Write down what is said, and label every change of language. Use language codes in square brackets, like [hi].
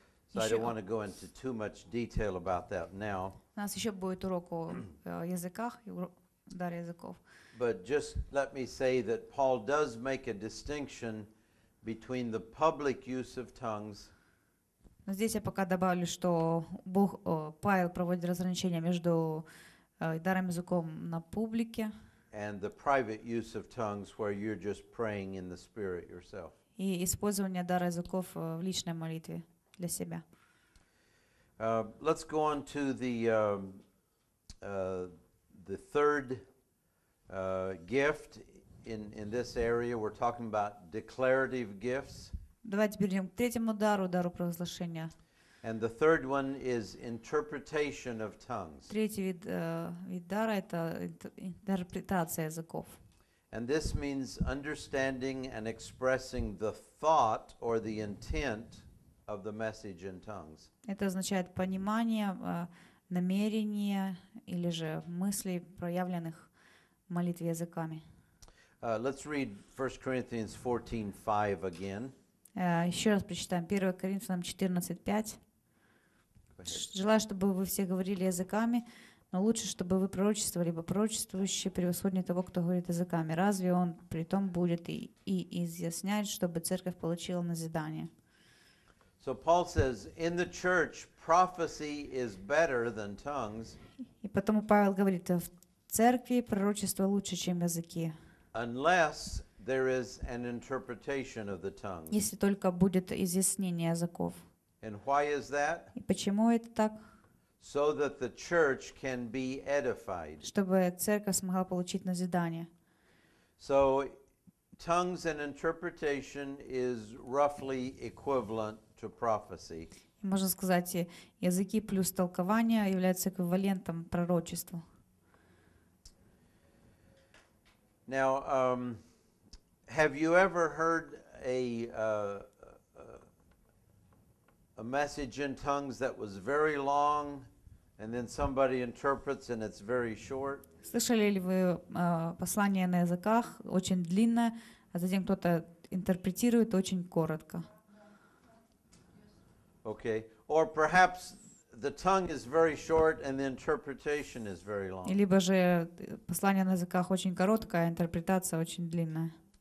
[en] So I don't want to go into too much detail about that now. [ru] У нас ещё будет урок о языках, даре языков. [en] But just let me say that Paul does make a distinction between the public use of tongues. [ru] Здесь я пока добавлю, что Бог Павел проводит разграничение между даром языком на публике. [en] And the private use of tongues, where you're just praying in the spirit yourself. [ru] И использование дара языков в личной молитве для себя. [en] Let's go on to the third gift in this area. We're talking about declarative gifts. [ru] Давайте перейдем к третьему дару, дару провозглашения. [en] And the third one is interpretation of tongues. [ru] Третий вид дара – это интерпретация языков. [en] And this means understanding and expressing the thought or the intent of the message in tongues. [ru] Это означает понимание, намерение или же мысли, проявленных в молитве языками. [en] Let's read 1 Corinthians 14:5 again. [ru] Еще раз прочитаем 1 Коринфянам 14:5. Желаю, чтобы вы все говорили языками, но лучше, чтобы вы пророчествовали, ибо пророчествующий превосходнее того, кто говорит языками. Разве он при том будет и изъяснять, чтобы церковь получила назидание? [en] So Paul says, in the church, prophecy is better than tongues. [ru] И потому Павел говорит, в церкви пророчество лучше, чем языки. [en] Unless there is an interpretation of the tongues. [ru] Если только будет изъяснение языков. [en] And why is that? [ru] И почему это так? [en] So that the church can be edified. [ru] Чтобы церковь смогла получить назидание. [en] So, tongues and interpretation is roughly equivalent to prophecy. [ru] Можно сказать, языки плюс толкование являются эквивалентом пророчеству. [en] Now, have you ever heard a message in tongues that was very long, and then somebody interprets, and it's very short. [ru] Слышали ли вы послание на языках очень длинное, а затем кто-то интерпретирует очень коротко? [en] Okay. Or perhaps the tongue is very short, and the interpretation is very long. [ru] Либо же послание на языках очень короткое, а интерпретация очень длинная.